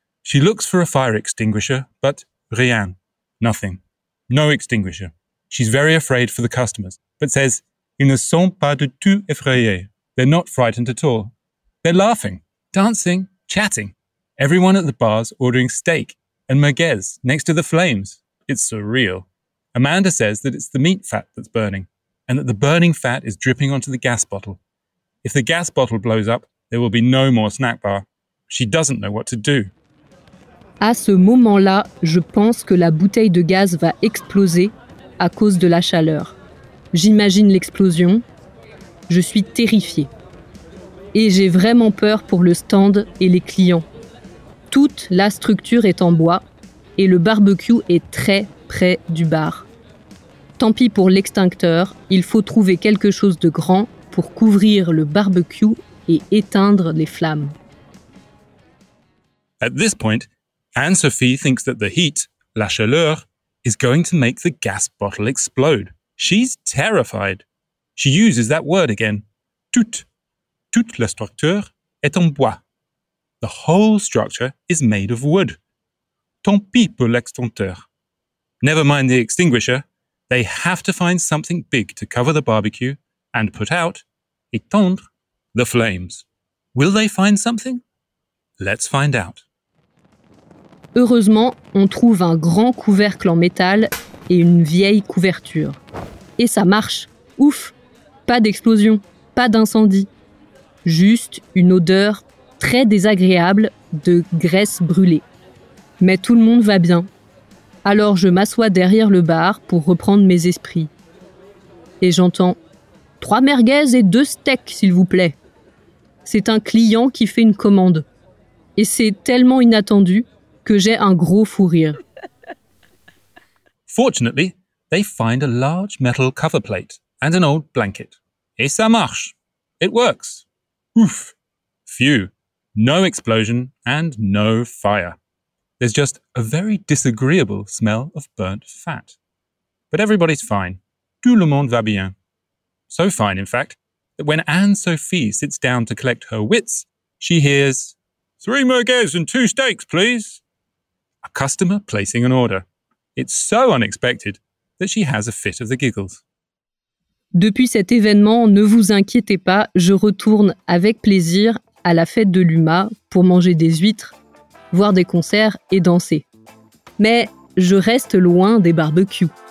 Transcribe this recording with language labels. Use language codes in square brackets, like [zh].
[en] She looks for a fire extinguisher, but rien, nothing. No extinguisher. She's very afraid for the customers, but says, [fr] ils ne sont pas du tout effrayés. [en] They're not frightened at all. They're laughing, dancing, chatting. Everyone at the bar's ordering steak and merguez next to the flames. It's surreal. Amanda says that it's the meat fat that's burning and that the burning fat is dripping onto the gas bottle. If the gas bottle blows up, there will be no more snack bar. She doesn't know what to do. [fr] À ce moment-là, je pense que la bouteille de gaz va exploser à cause de la chaleur. J'imagine l'explosion. Je suis terrifiée. Et j'ai vraiment peur pour le stand et les clients. Toute la structure est en bois et le barbecue est très près du bar. Tant pis pour l'extincteur, il faut trouver quelque chose de grand pour couvrir le barbecue et éteindre les flammes. [en] At this point, Anne-Sophie thinks that the heat, [fr] la chaleur, [en] is going to make the gas bottle explode. She's terrified. She uses that word again. [fr] Toute la structure est en bois. [en] The whole structure is made of wood. [fr] Tant pis pour l'extincteur. [en] Never mind the extinguisher. They have to find something big to cover the barbecue and put out, éteindre, the flames. Will they find something? Let's find out. [fr] Heureusement, on trouve un grand couvercle en métal et une vieille couverture. Et ça marche. Ouf! Pas d'explosion, pas d'incendie. Juste une odeur très désagréable de graisse brûlée. Mais tout le monde va bien. Alors je m'assois derrière le bar pour reprendre mes esprits. Et j'entends « Trois merguez et deux steaks, s'il vous plaît !» C'est un client qui fait une commande. Et c'est tellement inattendu que j'ai un gros fou rire. [en] Fortunately, they find a large metal cover plate and an old blanket. [fr] Et ça marche. [en] It works. [fr] Ouf. Phew. [en] No explosion and no fire. There's just a very disagreeable smell of burnt fat. But everybody's fine. [fr] Tout le monde va bien. [en] So fine, in fact, that when Anne-Sophie sits down to collect her wits, she hears, 3 merguez and 2 steaks, please. A customer placing an order. It's so unexpected that she has a fit of the giggles. [fr] Depuis cet événement, ne vous inquiétez pas, je retourne avec plaisir à la fête de l'UMA pour manger des huîtres, voir des concerts et danser. Mais je reste loin des barbecues.